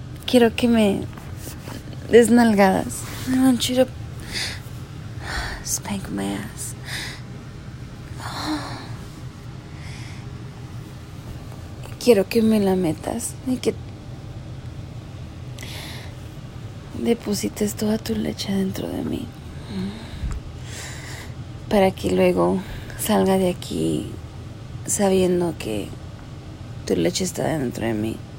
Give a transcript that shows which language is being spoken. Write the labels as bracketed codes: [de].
[es] quiero que me des nalgadas. [en] I want you to spank my ass. [es] Quiero que me la metas y que deposites toda tu leche dentro de mí. Para que luego salga de aquí sabiendo que tu leche está dentro de mí.